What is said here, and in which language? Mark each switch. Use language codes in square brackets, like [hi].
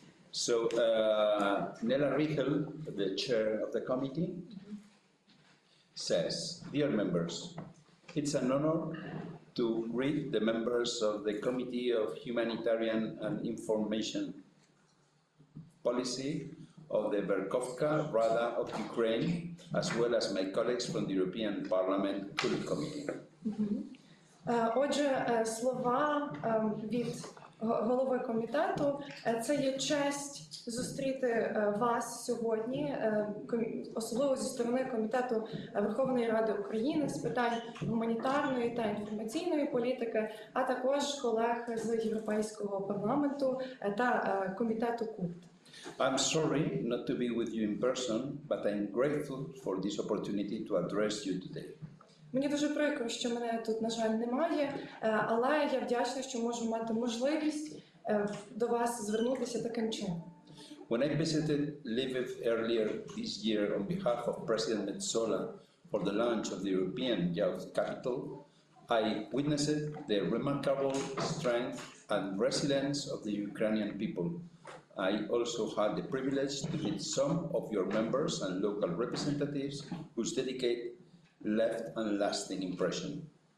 [en] So Nella Riegel, the chair of the committee, says, "Dear members, it's an honor to greet the members of the Committee of Humanitarian and Information Policy of the Berkovka Rada of Ukraine, as well as my colleagues from the European Parliament Kulik Committee." [uk] Отже, слова від голови комітету. Це є честь зустріти вас сьогодні, особливо зі сторони Комітету Верховної Ради України з питань гуманітарної та інформаційної політики, а також колег з Європейського парламенту та комітету КУРТ. [en] I'm sorry not to be with you in person, but I'm grateful for this opportunity to address you today. [uk] Мені дуже прикро, що мене тут, на жаль, немає, але я вдячна, що можу мати можливість до вас звернутися таким чином. [en] When I visited Lviv earlier this year on behalf of President Metsola for the launch of the European Youth Capital, I witnessed the remarkable strength and resilience of the Ukrainian people. I also had the privilege to meet some of your members and local representatives whose dedications left and lasting impression.